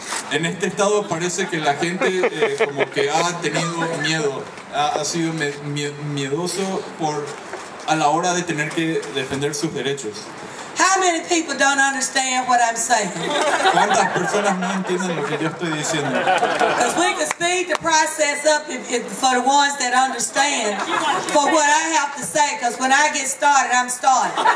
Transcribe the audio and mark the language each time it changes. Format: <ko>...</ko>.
<es>En este estado parece que la gente como que ha tenido miedo, ha sido miedoso por a la hora de tener que defender sus derechos.</es> <en>How many people don't understand what I'm saying?</en> <es>¿Cuántas personas no entienden lo que yo estoy diciendo?</es> <en>Because we can speed the process up for the ones that understand for what I have to say, because when I get started, I'm started.</en>